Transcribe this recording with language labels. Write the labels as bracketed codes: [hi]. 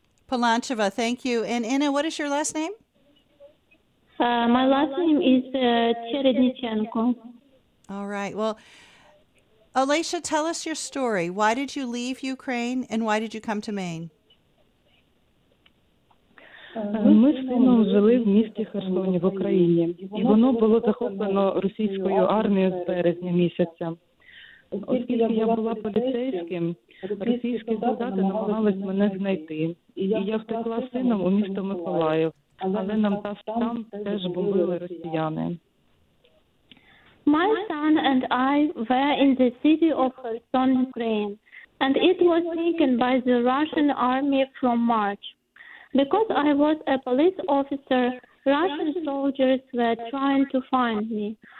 [en] Polyanchova, thank you. And Inna, what is your last name? My last name is Cherednichenko. All right. Well, Alesha, tell us your story. Why did you leave Ukraine and why did you come to Maine? [uk] Ми з сином жили в місті Херсоні в Україні, і воно було захоплено російською армією з березня місяця. Оскільки я була поліцейським, російські солдати намагались мене знайти, і я втекла з сином у місто Миколаїв, але нам там теж бомбили росіяни. [en] My son and I were in the city of Kherson, Ukraine, and it was taken by the Russian army from March. Because I was a police officer, Russian soldiers were trying to find me.